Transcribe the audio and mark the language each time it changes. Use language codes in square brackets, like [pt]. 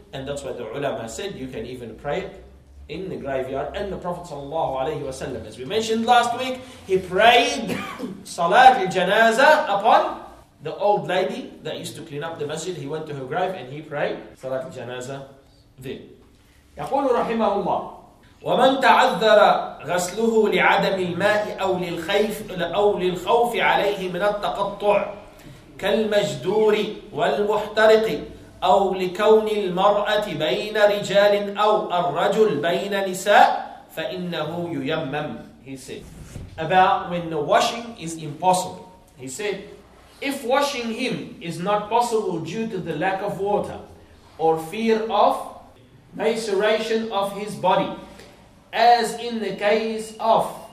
[en] And that's why the ulama said you can even pray it in the graveyard. And the Prophet sallallahu alayhi wa sallam, as we mentioned last week, he prayed Salat al-Janazah upon the old lady that used to clean up the masjid. He went to her grave and he prayed Salat al-Janazah there. [ar] يقول رحمه الله ومن تعذر غسله لعدم الماء أو للخيف أو للخوف عليه من التقطع كالمجدور والمحترق أو لكون المرأة بين رجال أو الرجل بين نساء فإنه ييمم. [en] He said about when the washing is impossible. He said if washing him is not possible due to the lack of water or fear of maceration of his body, as in the case of